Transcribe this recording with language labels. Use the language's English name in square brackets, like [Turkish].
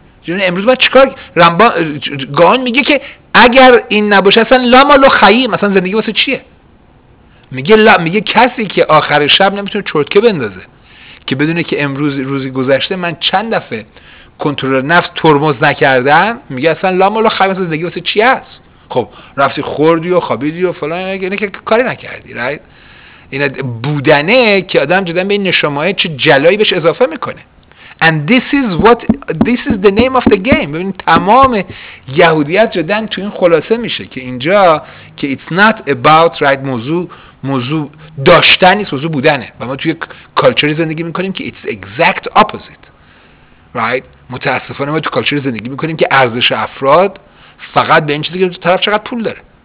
[Persian] چون امروز ما چیکار رمبان گان میگه که اگر این نباشه اصلا لا مالو خیم، اصلا زندگی واسه چیه؟ میگه لا، میگه کسی که آخر شب نمیتونه چرتکه بندازه، که بدونه که امروز روزی گذشته من چند دفعه کنترل نفس ترمز نکردم، میگه اصلا لا مالو خیم، اصلا زندگی واسه چی است؟ خب رفتی خوردی و خوابیدی و فلان، اینه که کاری نکردی، رایت؟ اینه بودنه که آدم جدا به این نشمه چه جلایی بهش اضافه میکنه. [English] And this is the name of the game. [Persian] ببینید تمام یهودیت جدن تو این خلاصه میشه که اینجا که [English] it's not about right، [Persian] موضوع داشتن نیست، موضوع بودنه. و ما توی کالچری زندگی میکنیم که [English] it's exact opposite. [Persian] Right؟ متاسفانه ما توی کالچری زندگی میکنیم که ارزش افراد فقط به این چیزی که طرف چقدر پول داره.